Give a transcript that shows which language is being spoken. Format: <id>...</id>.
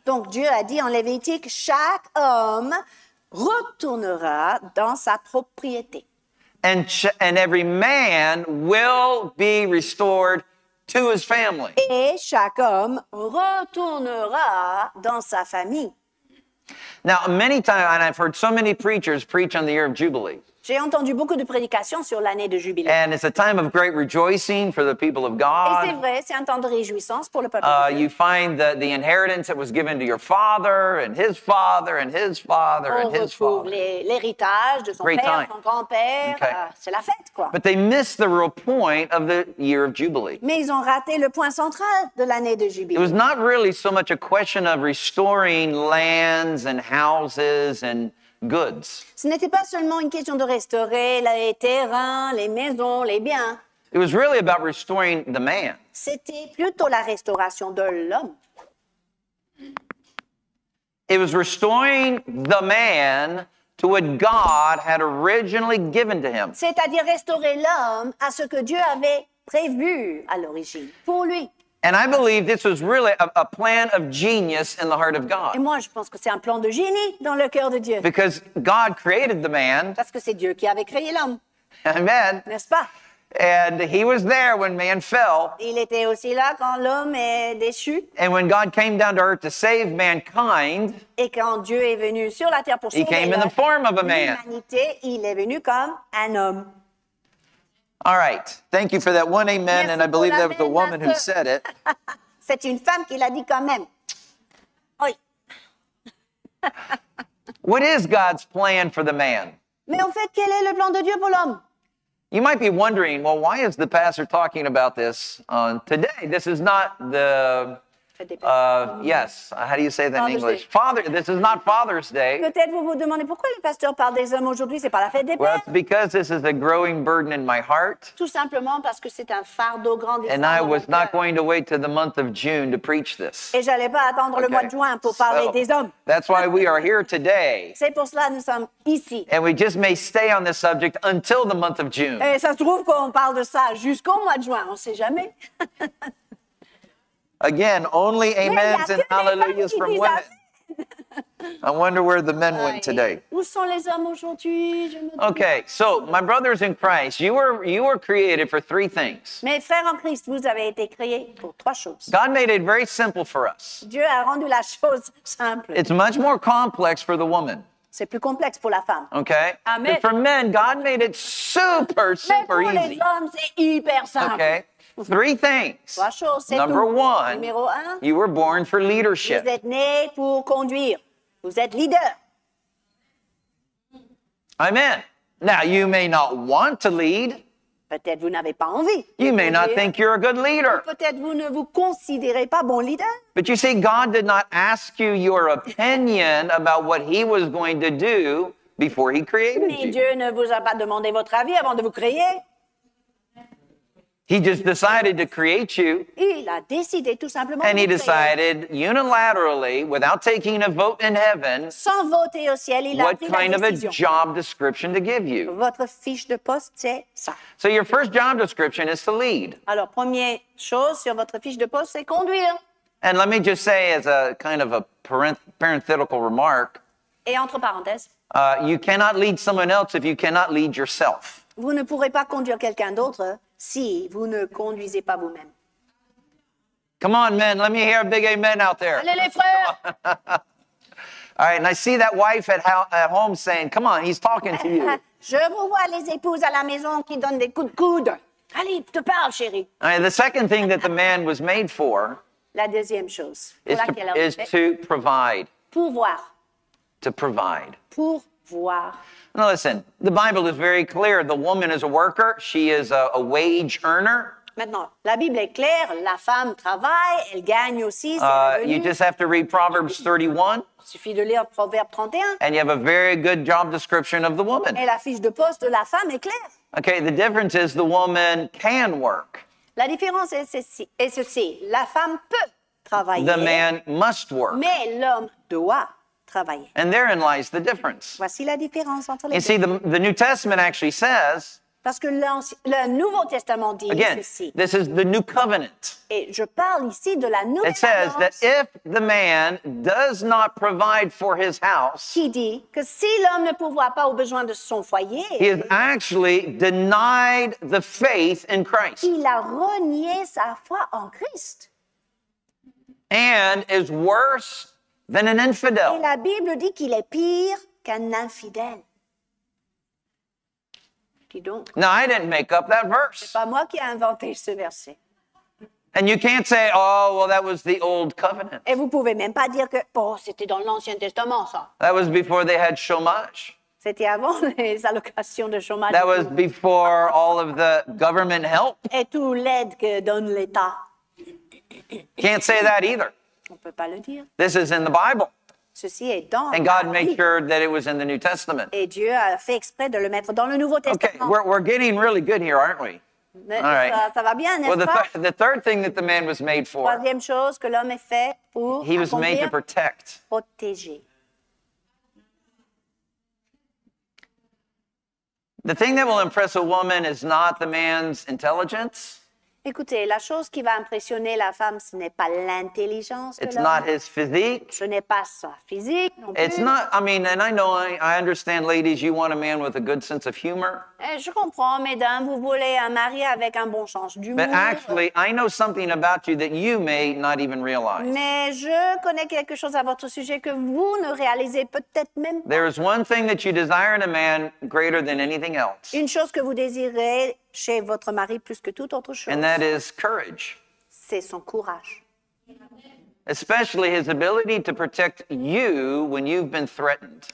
<fr>Donc Dieu a dit en Lévitique, chaque homme retournera dans sa propriété.</fr> <en>And every man will be restored to his family.</en> <fr>Et chaque homme retournera dans sa famille.</fr> <en>Now, many times, and I've heard so many preachers preach on the year of Jubilee.</en> <fr>J'ai entendu beaucoup de prédications sur l'année de Jubilée.</fr> <en>And it's a time of great rejoicing for the people of God.</en> <fr>Et c'est vrai, c'est un temps de réjouissance pour le peuple.</fr> <en>You find the inheritance that was given to your father and his father and his father and his father.</en> <fr>On retrouve l'héritage de son</fr> <en>great</en> <fr>père, Son grand-père.</fr> <en>Okay.</en> <fr>C'est la fête, quoi.</fr> <en>But they missed the real point of the year of Jubilee.</en> <fr>Mais ils ont raté le point central de l'année de Jubilée.</fr> <en>It was not really so much a question of restoring lands and houses and goods.</en> <fr>Ce n'était pas seulement une question de restaurer les terrains, les maisons, les biens.</fr> <en>It was really about restoring the man.</en> <fr>C'était plutôt la restauration de l'homme.</fr> <en>It was restoring the man to what God had originally given to him.</en> <fr>C'est-à-dire restaurer l'homme à ce que Dieu avait prévu à l'origine pour lui.</fr> <en>And I believe this was really a plan of genius in the heart of God.</en> <fr>Et moi, je pense que c'est un plan de génie dans le cœur de Dieu.</fr> <en>Because God created the man.</en> <fr>Parce que c'est Dieu qui avait créé l'homme.</fr> <en>Amen.</en> <fr>N'est-ce pas?</fr> <en>And he was there when man fell.</en> <fr>Il était aussi là quand l'homme est déchu.</fr> <en>And when God came down to earth to save mankind,</en> <fr>et quand Dieu est venu sur la terre pour sauver l'humanité, il est venu comme un homme.</fr> <en>All right. Thank you for that one amen.</en> <fr>Merci</fr> <en>and I believe that was the woman who said it.</en> <fr>C'est une femme qui l'a dit quand même. Oui.</fr> <en>What is God's plan for the man?</en> <fr>Mais en fait, quel est le plan de Dieu pour l'homme?</fr> <en>You might be wondering, well, why is the pastor talking about this on today? This is not the, how do you say that in English? Father, this is not Father's Day.</en> <fr>Peut-être vous vous demandez pourquoi le pasteur parle des hommes aujourd'hui, c'est pas la fête des pères.</fr> <en>Well, it's because this is a growing burden in my heart.</en> <fr>Tout simplement parce que c'est un fardeau grand.</fr> <en>And I was not going to wait till the month of June to preach this.</en> <fr>Et j'allais pas attendre le mois de juin pour parler des hommes.</fr> <en>That's why we are here today.</en> <fr>C'est pour cela que nous sommes ici.</fr> <en>And we just may stay on this subject until the month of June.</en> <fr>Et ça se trouve qu'on parle de ça jusqu'au mois de juin, on sait jamais.</fr> <en>Again, only amens and hallelujahs from women. I wonder where the men went today.</en> <fr>Où sont les hommes aujourd'hui?</fr> <en>Okay, so my brothers in Christ, you were created for three things.</en> <fr>Mes frères en Christ, vous avez été créés pour trois choses.</fr> <en>God made it very simple for us.</en> <fr>Dieu a rendu la chose simple.</fr> <en>It's much more complex for the woman.</en> <fr>C'est plus complexe pour la femme.</fr> <en>Okay. Amen. But for men, God made it super, super easy.</en> <fr>Mais pour les hommes, c'est hyper simple.</fr> <en>Okay. Three things.</en> <fr>Trois choses, c'est</fr> <en>number</en> <fr>tout.</fr> <en>One,</en> <fr>numéro un,</fr> <en>you were born for leadership.</en> <fr>Vous êtes né pour conduire. Vous êtes leader.</fr> <en>Amen. Now, you may not want to lead.</en> <fr>Peut-être vous n'avez pas envie.</fr> <en>You may not think you're a good leader.</en> <fr>Peut-être vous ne vous considérez pas bon leader.</fr> <en>But you see, God did not ask you your opinion about what he was going to do before he created</en> <fr>Mais</fr> <en>you.</en> <fr>Mais Dieu ne vous a pas demandé votre avis avant de vous créer.</fr> <en>He just decided to create you.</en> <fr>Il a décidé tout simplement.</fr> <en>And he decided unilaterally, without taking a vote in heaven,</en> <fr>sans voter au ciel, il a</fr> <en>what kind of a job description to give you.</en> <fr>Votre fiche de poste, c'est ça.</fr> <en>So your first job description is to lead.</en> <fr>Alors, première chose sur votre fiche de poste, c'est conduire.</fr> <en>And let me just say as a kind of a parenthetical remark,</en> <fr>et entre parenthèses,</fr> <en>you cannot lead someone else if you cannot lead yourself.</en> <fr>Vous ne pourrez pas conduire quelqu'un d'autre si vous ne conduisez pas vous-même.</fr> <en>Come on, men. Let me hear a big amen out there.</en> <fr>Allez, les frères!</fr> <en>All right, and I see that wife at home saying, come on, he's talking to you.</en> <fr>Je vous vois les épouses à la maison qui donnent des coups de coude. Allez, te parle, chérie.</fr> <en>All right, the second thing that the man was made for</en> <fr>la deuxième chose</fr> <en>is to provide.</en> <fr>Pouvoir.</fr> <en>To provide.</en> <fr>Pourvoir.</fr> <en>Now listen, the Bible is very clear. The woman is a worker. She is a wage earner.</en> <fr>Maintenant, la Bible est claire. La femme travaille. Elle gagne aussi.</fr> <en>You just have to read Proverbs 31.</en> <fr>Il suffit de lire Proverbe 31.</fr> <en>And you have a very good job description of the woman.</en> <fr>Et la fiche de poste de la femme est claire.</fr> <en>Okay, the difference is the woman can work.</en> <fr>La différence est ceci. La femme peut travailler.</fr> <en>The man must work.</en> <fr>Mais l'homme doit.</fr> <en>And therein lies the difference.</en> <fr>Voici la différence entre les deux.</fr> <en>You see, the New Testament actually says.</en> <fr>Parce que le Nouveau Testament dit</fr> <en>again,</en> <fr>ceci.</fr> <en>This is the New Covenant.</en> <fr>Et je parle ici de la nouvelle alliance.</fr> <en>It says that if the man does not provide for his house,</en> <fr>qui dit que si l'homme ne pourvoit pas aux besoins de son foyer,</fr> <en>he has actually denied the faith in Christ.</en> <fr>Il a renié sa foi en Christ.</fr> <en>And is worse than an infidel.</en> <fr>Et la Bible dit qu'il est pire qu'un infidèle. Dis donc.</fr> <en>Now, I didn't make up that verse.</en> <fr>C'est pas moi qui ai inventé ce verset.</fr> <en>And you can't say, oh, well, that was the old covenant.</en> <fr>Et vous pouvez même pas dire que, oh, c'était dans l'Ancien Testament, ça.</fr> <en>That was before they had chômage.</en> <fr>C'était avant les allocations de chômage.</fr> <en>That was before all of the government help.</en> <fr>Et toute l'aide que donne l'État.</fr> <en>Can't say that either.</en> <fr>On peut pas le dire.</fr> <en>This is in the Bible.</en> <fr>Ceci est dans</fr> <en>and God made sure that it was in the New Testament.</en> <fr>Et Dieu a fait exprès de le mettre dans le Nouveau Testament.</fr> <en>Okay, we're getting really good here, aren't we?</en> <fr>Ça va bien, n'est-ce pas?</fr> <en>Well, the third thing that the man was made for.</en> <fr>Troisième chose que l'homme est fait pour.</fr> <en>He was made to protect.</en> <fr>Protéger.</fr> <en>The thing that will impress a woman is not the man's intelligence.</en> <fr>Écoutez, la chose qui va impressionner la femme, ce n'est pas l'intelligence.</fr> <en>It's not his physique.</en> <fr>Ce n'est pas sa physique non plus.</fr> <en>It's not, I mean, and I know, I understand, ladies, you want a man with a good sense of humor.</en> <fr>Et je comprends, mesdames, vous voulez un mari avec un bon sens d'humour.</fr> <en>But actually, I know something about you that you may not even realize.</en> <fr>Mais je connais quelque chose à votre sujet que vous ne réalisez peut-être même pas.</fr> <en>There is one thing that you desire in a man greater than anything else.</en> <fr>Une chose que vous désirez chez votre mari plus que toute autre chose.</fr> <en>And that is courage.</en> <fr>C'est son courage.</fr> <en>Especially his ability to protect you when you've been threatened.</en>